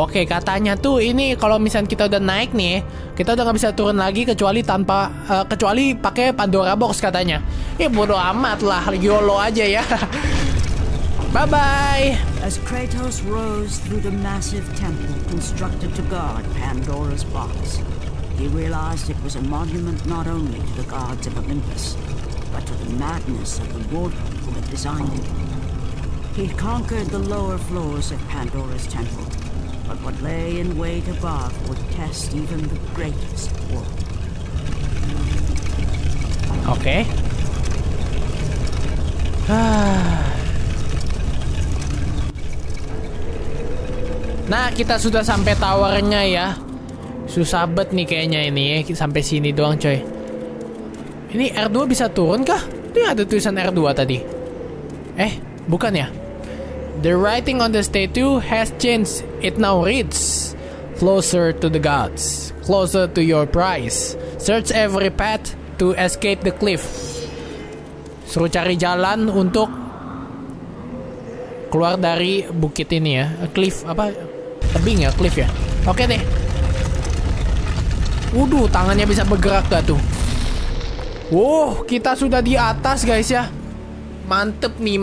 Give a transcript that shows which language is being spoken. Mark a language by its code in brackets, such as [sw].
[id] Oke, katanya tuh ini kalau misalnya kita udah naik nih, kita udah nggak bisa turun lagi kecuali tanpa kecuali pakai Pandora box katanya. Ya bodo amat lah, YOLO aja ya. Bye bye. [en] As Kratos rose through the massive temple constructed to guard Pandora's box, he realized it was a monument not only to the gods of Olympus, but to the madness of the warden who had designed it. He conquered the lower floors of Pandora's temple, but what lay in wait above would test even the greatest warden. Okay. [id] Nah, kita sudah sampai tower-nya ya. Susah banget nih kayaknya ini ya. Sampai sini doang, coy. Ini R2 bisa turun kah? Ini ada tulisan R2 tadi. Bukan ya. [en] The writing on the statue has changed. It now reads, closer to the gods. Closer to your prize. Search every path to escape the cliff. [id] Suruh cari jalan untuk keluar dari bukit ini ya. Tebing ya, cliff ya. Oke deh. Waduh, tangannya bisa bergerak gak tuh. Wow, kita sudah di atas, guys ya. Mantep.